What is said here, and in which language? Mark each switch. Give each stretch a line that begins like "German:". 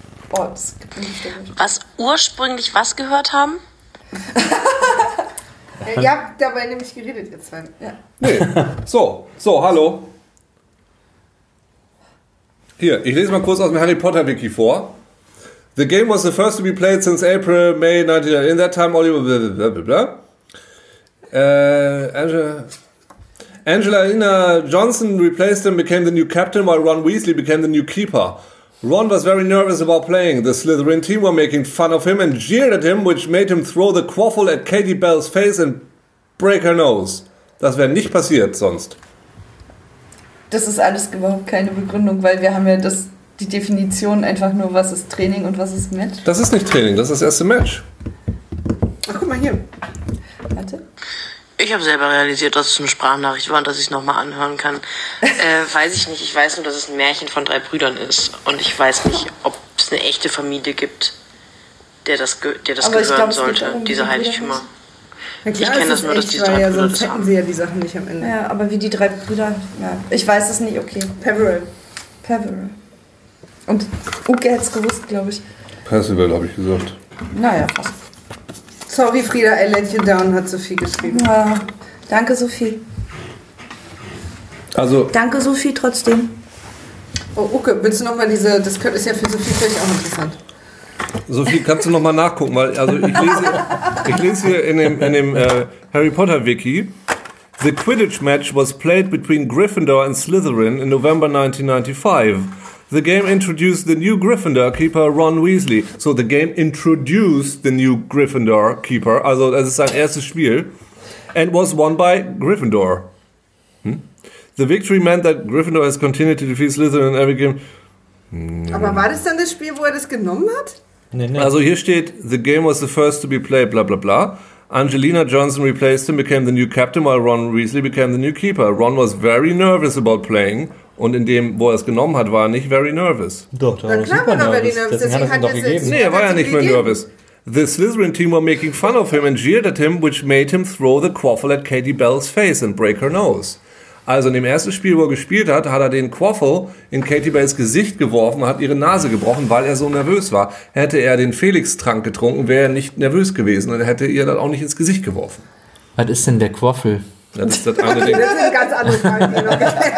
German: Was ursprünglich was gehört haben? Ihr habt dabei nämlich geredet, ihr zwei. Ja. Nee. So, hallo. Hier, ich lese mal kurz aus dem Harry Potter Wiki vor.
English: The game was the first to be played since April, May 99. In that time, Oliver. Blah, blah, blah, blah. Angelina Johnson replaced him, became the new captain, while Ron Weasley became the new keeper. Ron was very nervous about playing. The Slytherin team were making fun of him and jeered at him, which made him throw the quaffle at Katie Bell's face and break her nose.
German: Das wäre nicht passiert sonst. Das ist alles überhaupt keine Begründung, weil wir haben ja das, die Definition einfach nur, was ist Training und was ist Match. Das ist nicht Training, das ist das erste Match. Ach, guck mal hier. Warte. Ich habe selber realisiert, dass es eine Sprachnachricht war und dass ich es nochmal anhören kann. Weiß ich nicht. Ich weiß nur, dass es ein Märchen von drei Brüdern ist. Und ich weiß nicht, ob es eine echte Familie gibt, der das aber gehören glaub, sollte, diese Heiligtümer. Klar, ich kenne das nur, dass die drei Brüder sonst hätten sie ja die Sachen nicht am Ende. Ja, aber wie die drei Brüder, ja. Ich weiß es nicht, okay. Peveril. Und Uke hätte es gewusst, glaube ich. Percival, habe ich gesagt. Naja, fast. Sorry, Frieda, ein Lädchen down hat Sophie geschrieben. Ja, danke, Sophie. Also. Danke, Sophie, trotzdem. Oh, Uke, willst du nochmal diese. Das ist ja für Sophie vielleicht auch interessant. Sophie, kannst du nochmal nachgucken? Weil, also, ich lese hier in dem Harry Potter Wiki:
English: The Quidditch Match was played between Gryffindor and Slytherin in November 1995. The game introduced the new Gryffindor Keeper Ron Weasley. So the game introduced the new Gryffindor Keeper,
German: also das ist sein erstes Spiel,
English: and was won by Gryffindor. The victory meant that Gryffindor has continued to defeat Slytherin in every game.
German: Aber war das dann das Spiel, wo er das genommen hat? Nee. Also hier steht,
English: the game was the first to be played, bla bla bla. Angelina Johnson replaced him, became the new captain, while Ron Weasley became the new keeper. Ron was very nervous about playing.
German: Und in dem, wo er es genommen hat, war er nicht
English: very nervous.
German: Doch, da war er super nervous. Deswegen hat er es doch gegeben. Nee, er war ja nicht mehr nervous.
English: The Slytherin team were making fun of him and jeered at him, which made him throw the quaffle at Katie Bell's face and break her nose.
German: Also in dem ersten Spiel, wo er gespielt hat, hat er den Quaffle in Katie Bells Gesicht geworfen und hat ihre Nase gebrochen, weil er so nervös war. Hätte er den Felix-Trank getrunken, wäre er nicht nervös gewesen und hätte ihr dann auch nicht ins Gesicht geworfen. Was ist denn der Quaffle? Das ist das andere Ding. Das ist eine ganz andere Frage, die noch geklärt